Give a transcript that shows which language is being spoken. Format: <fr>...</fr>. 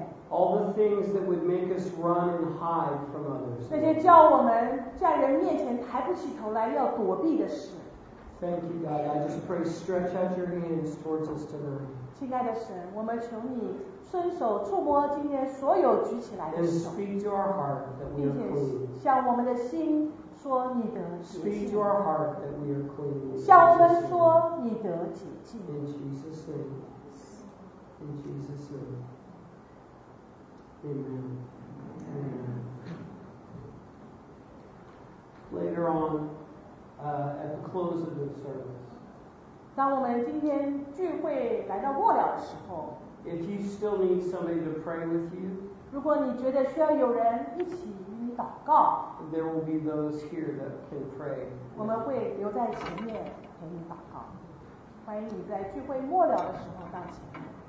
<en>All the things that would make us run and hide from others.</en> <zh>那些叫我们在人面前抬不起头来要躲避的事。</zh> <en>Thank you, God. I just pray, stretch out your hands towards us tonight.</en> <zh>亲爱的神，我们求你伸手触摸今天所有举起来的手。</zh> <en>And speak to our heart that we are clean.</en> <zh>并且向我们的心说你得洁净。</zh> <en>Speak to our heart that we are clean.</en> <zh>向我们说你得洁净。</zh> <en>In Jesus' name. In Jesus' name. Amen. Amen. Later on, at the close of the service,</en> <zh>当我们今天聚会来到末了的时候</zh> <en>if you still need somebody to pray with you,</en> <zh>如果你觉得需要有人一起与你祷告。</zh> <en>There will be those here that can pray.</en> <zh>我们会留在前面陪你祷告。欢迎你在聚会末了的时候到前面。</zh>